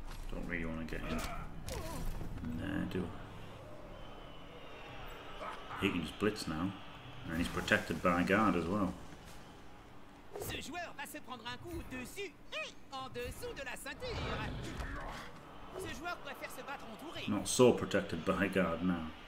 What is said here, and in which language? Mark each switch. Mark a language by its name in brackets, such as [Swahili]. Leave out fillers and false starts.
[English] Don't really want to get in. Nah, do I? He can just blitz now. And he's protected by a guard as well. [French] Ce joueur va se prendre un coup dessus et en dessous de la ceinture. Ce joueur préfère se battre entouré. [English] Not so protected by a guard now.